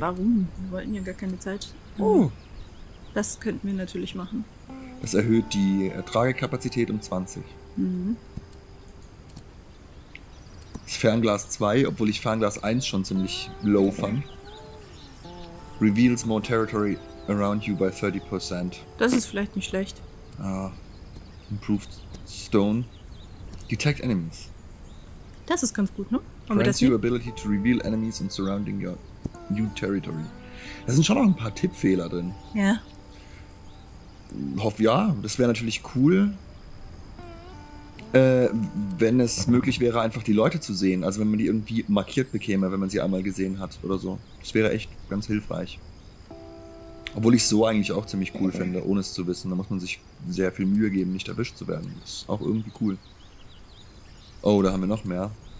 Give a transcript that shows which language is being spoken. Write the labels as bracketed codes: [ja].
[de] Warum? Wir wollten ja gar keine Zeit. Oh. Das könnten wir natürlich machen. Das erhöht die Tragekapazität um 20. Mhm. Das Fernglas 2, obwohl ich Fernglas 1 schon ziemlich low fand. [en] Reveals more territory around you by 30%. [de] Das ist vielleicht nicht schlecht. [en] Improved stone. Detect enemies. [de] Das ist ganz gut, ne? [en] Grants you ability to reveal enemies and surrounding your new territory. [de] Da sind schon noch ein paar Tippfehler drin. Ja. Hoff ja. Das wäre natürlich cool, wenn es möglich wäre, einfach die Leute zu sehen. Also wenn man die irgendwie markiert bekäme, wenn man sie einmal gesehen hat oder so. Das wäre echt ganz hilfreich. Obwohl ich es so eigentlich auch ziemlich cool finde, ohne es zu wissen. Da muss man sich sehr viel Mühe geben, nicht erwischt zu werden. Das ist auch irgendwie cool. Oh, da haben wir noch mehr.